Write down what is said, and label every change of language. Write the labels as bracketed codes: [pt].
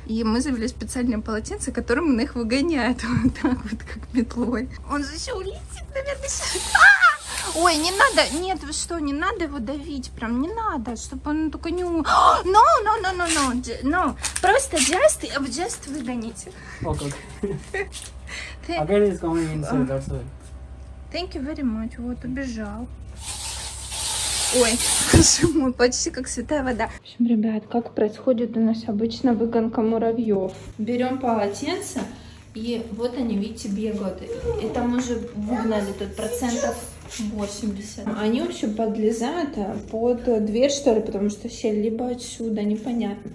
[ru] И мы завели специальное полотенце, которым он их выгоняет. Вот так вот, как метлой. Он же еще улетит, наверное, сейчас. Ой, не надо, нет, вы что, не надо его давить, прям не надо, чтобы он только не ум... [en] No, [ru] просто [en] just [ru] выгоните. [en] Okay. Okay, he's going inside, that's it. Thank you very much, [ru] вот, убежал. Ой, почему, почти как святая вода. В общем, ребят, как происходит у нас обычно выгонка муравьев? Берем полотенце, и вот они, видите, бегают. Это мы же выгнали тут 80%. Они вообще подлезают под дверь, что ли, потому что сели либо отсюда, непонятно.